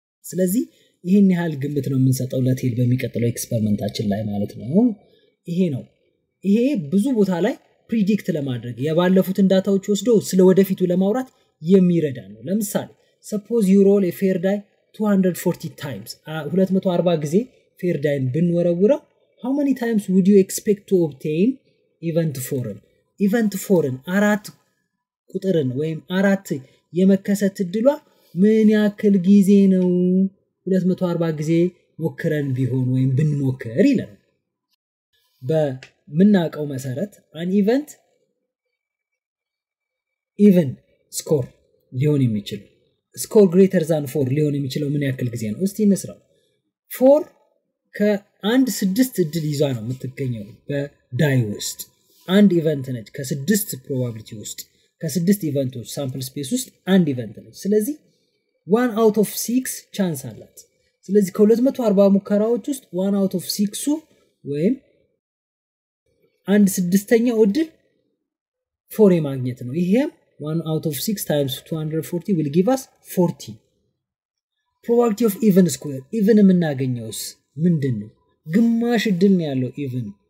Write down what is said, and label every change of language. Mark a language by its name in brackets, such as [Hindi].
[Amharic] ስለዚህ ይሄን ያህል ግምት ነው የምንሰጠው ለቴል በሚቀጥለው ኤክስፐሪመንታችን ላይ ማለት ነው ይሄ ነው ይሄ ብዙ ቦታ ላይ predict ለማድረግ የባለፉት ዳታዎች ወስዶ ስለወደፊቱ ለማውራት የሚረዳ ነው ለምሳሌ [English] Suppose you roll a fair die 240 times. [Amharic] 240 ጊዜ fair die ብንወረውረው [English] how many times would you expect to obtain event 4? [Amharic] Event 4 አራት ቁጥርን ወይም አራት የመከሰት እድሏ ምን ያክል ጊዜ ነው? 240 ጊዜ ሞክረን ቢሆን ወይም ብንሞክር ይላል። በምናቀው መሰረት an event even score ሊሆን የሚችል [English] score greater than 4 [Amharic] ሊሆን የሚችለው ምን ያክል ጊዜ ነው? እስቲ እንስራው 4 ከአንድ 6 እድል ይዛ ነው የምትገኘው በዳይ ውስጥ አንድ ኢቨንት ነች ከ6 probability ውስጥ ከ6 ኢቨንቶች sample space ውስጥ አንድ ኢቨንት ነች ስለዚህ [English] 1 out of 6 chance አላት ስለዚህ ከ240 ሙከራዎች ውስጥ 1 out of 6ው ወይም አንድ 6ኛው እድል 4 የማግኘት ነው ይሄም 1 out of 6 times 240 will give us 40. Probability of even square. [Amharic] Even የምናገኘውs ምንድነው? ግማሽ እድል ነው ያለው even.